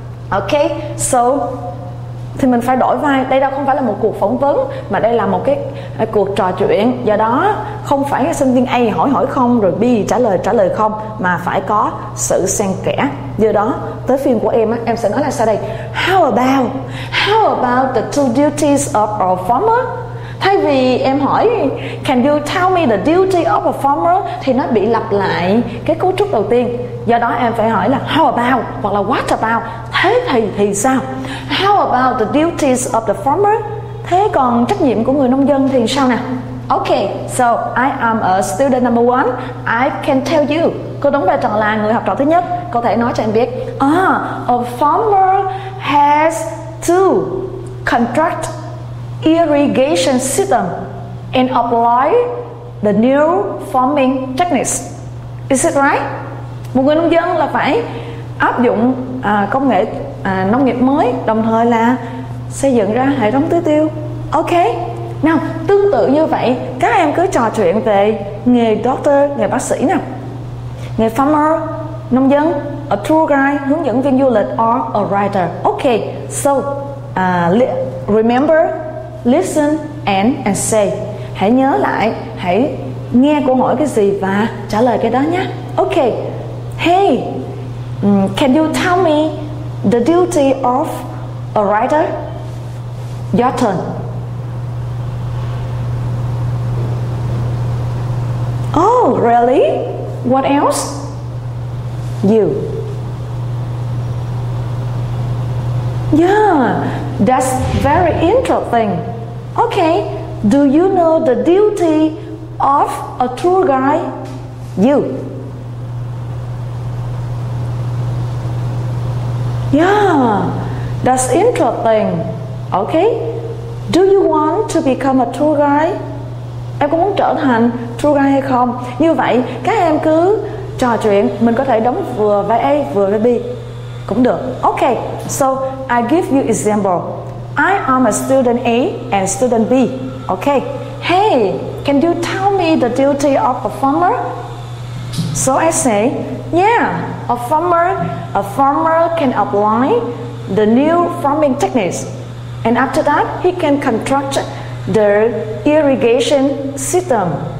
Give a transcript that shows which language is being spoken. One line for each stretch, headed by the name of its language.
Vietnamese: Okay, so thì mình phải đổi vai. Đây đâu không phải là một cuộc phỏng vấn, mà đây là một cái cuộc trò chuyện. Do đó không phải sinh viên A hỏi không, rồi B trả lời không, mà phải có sự xen kẽ. Do đó tới phiên của em á, em sẽ nói là sao đây.
English: How about the two duties of a farmer.
Vietnamese: Thay vì em hỏi
English: can you tell me the duty of a farmer
Vietnamese: thì nó bị lặp lại cái cấu trúc đầu tiên. Do đó em phải hỏi là
English: how about
Vietnamese: hoặc là
English: what about.
Vietnamese: Thế thì sao?
English: How about the duties of the farmer?
Vietnamese: Thế còn trách nhiệm của người nông dân thì sao nè?
English: Okay, so I am a student number one. I can tell you.
Vietnamese: Cô đúng bài trò là người học trò thứ nhất. Cô thể nói cho em biết.
English: A farmer has to construct irrigation system and apply the new farming techniques. Is it right?
Vietnamese: Một người nông dân là phải áp dụng công nghệ nông nghiệp mới, đồng thời là xây dựng ra hệ thống tưới tiêu. Ok, nào tương tự như vậy, các em cứ trò chuyện về nghề doctor, nghề bác sĩ nào. Nghề farmer, nông dân,
English: a tour guide,
Vietnamese: hướng dẫn viên du lịch,
English: or a writer. Ok, so remember, listen and say.
Vietnamese: Hãy nhớ lại, hãy nghe cô hỏi cái gì và trả lời cái đó nhé.
English: Ok, hey, can you tell me the duty of a writer? Your turn. Oh, really? What else? You. Yeah, that's very interesting. Okay, do you know the duty of a tour guide? You. Yeah, that's interesting. Okay, do you want to become a tour guide?
Vietnamese: Em có muốn trở thành tour guide hay không? Như vậy, các em cứ trò chuyện. Mình có thể đóng vừa vai A vừa vai B cũng được.
English: Okay, so I give you example. I am a student A and student B. Okay, hey, can you tell me the duty of a farmer? So I say, yeah. A farmer can apply the new farming techniques, and after that, he can construct the irrigation system.